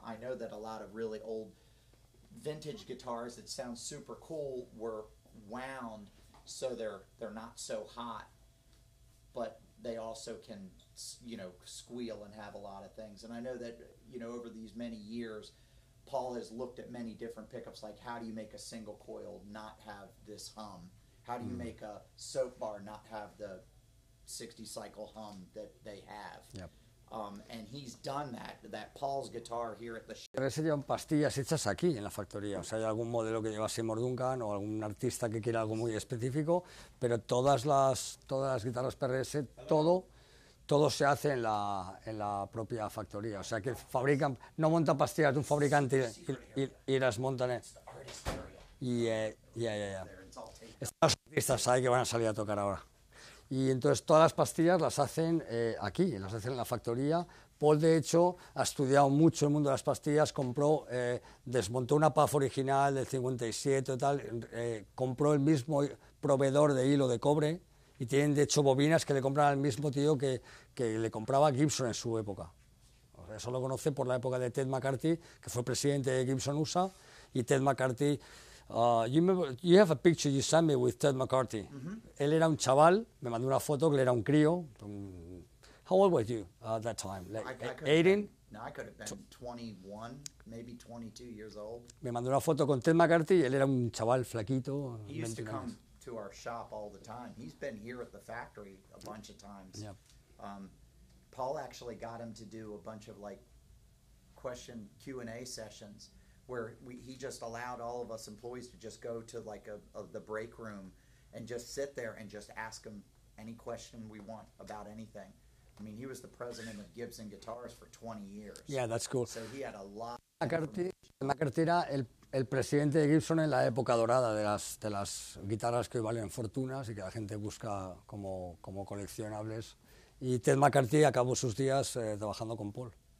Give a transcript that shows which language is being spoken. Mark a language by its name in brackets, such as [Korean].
[English] I know that a lot of really old vintage guitars that sound super cool were wound so they're not so hot, but they also can, you know, squeal and have a lot of things. And I know that, you know, over these many years, Paul has looked at many different pickups, like how do you make a single coil not have this hum? How do you make a soap bar not have the 60 cycle hum that they have? Yep. And he's done that Paul's guitar here at the show. [Spanish] A veces llevan pastillas hechas aquí en la factoría. O sea, hay algún modelo que llevásemos Duncan o algún artista que quiera algo muy específico, pero todas las guitarras PRS, todo se hace en la propia factoría. O sea, que fabrican, no montan pastillas de un fabricante y las montan en... [English] Yeah. [Spanish] Los artistas ahí que van a salir a tocar ahora. Y entonces todas las pastillas las hacen aquí, las hacen en la factoría. Paul, de hecho, ha estudiado mucho el mundo de las pastillas, compró, desmontó una PAF original del 57 y tal, compró el mismo proveedor de hilo de cobre y tienen, de hecho, bobinas que le compran al mismo tío que le compraba Gibson en su época. O sea, eso lo conoce por la época de Ted McCarthy, que fue presidente de Gibson USA, y Ted McCarthy... [English] You have a picture you sent me with Ted McCarthy. Mm-hmm. [Spanish] Él era un chaval, me mandó una foto que él era un crío. [English] How old were you at that time? Like, I 18? No, I could have been 21, maybe 22 years old. [Spanish] Me mandó una foto con Ted McCarthy, él era un chaval flaquito. [English] He used to come to our shop all the time. He's been here at the factory a bunch of times. Yeah. Paul actually got him to do a bunch of like question Q&A sessions. Where he just allowed all of us employees to just go to like the break room and just sit there and just ask him any question we want about anything. I mean, he was the president of Gibson Guitars for 20 years. Yeah, that's cool. So he had a lot. [Spanish] McCarthy era el presidente de Gibson en la época dorada de las guitarras que valen fortunas y que la gente busca como coleccionables. Y Ted McCarthy acabó sus días trabajando con Paul.